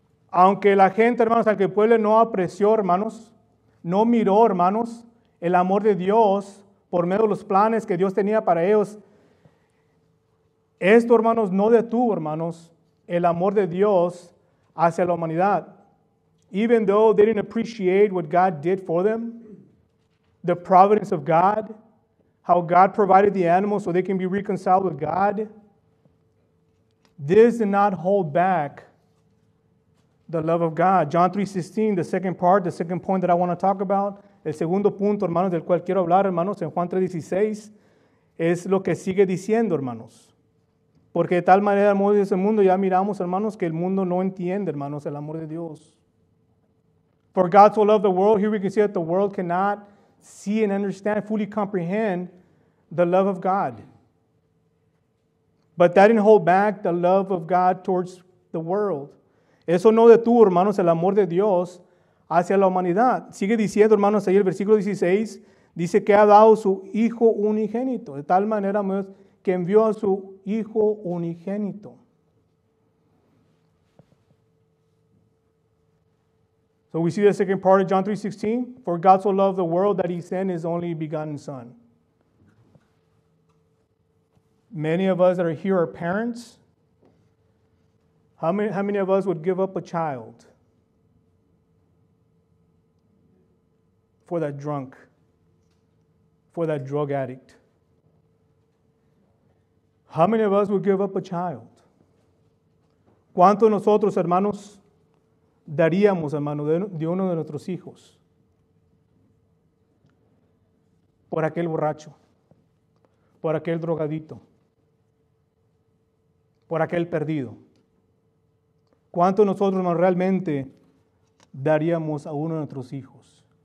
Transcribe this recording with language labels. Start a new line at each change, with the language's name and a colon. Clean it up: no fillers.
Spanish: Aunque la gente, hermanos, aunque el pueblo no apreció, hermanos, no miró, hermanos, el amor de Dios por medio de los planes que Dios tenía para ellos, esto, hermanos, no detuvo, hermanos, el amor de Dios hacia la humanidad.
English: Even though they didn't appreciate what God did for them, the providence of God, how God provided the animals so they can be reconciled with God, this did not hold back the love of God. John 3:16, the second part, the second point that I want to talk about,
Spanish: el segundo punto, hermanos, del cual quiero hablar, hermanos, en Juan 3:16, es lo que sigue diciendo, hermanos. Porque de tal manera amó Dios el mundo, ya miramos, hermanos, que el mundo no entiende, hermanos, el amor de Dios.
English: For God so loved the world, here we can see that the world cannot see and understand, fully comprehend the love of God. But that didn't hold back the love of God towards the world.
Spanish: Eso no detuvo, hermanos, el amor de Dios hacia la humanidad. Sigue diciendo, hermanos, ahí el versículo 16, dice que ha dado su Hijo unigénito. De tal manera amó Dios que envió a su Hijo unigénito.
English: So we see the second part of John 3:16. For God so loved the world that he sent his only begotten son. Many of us that are here are parents. How many of us would give up a child for that drunk, for that drug addict? How many of us would give up a child?
Spanish: ¿Cuánto nosotros, hermanos, daríamos, hermano, de uno de nuestros hijos por aquel borracho, por aquel drogadito, por aquel perdido. ¿Cuánto nosotros no realmente daríamos a uno de nuestros hijos?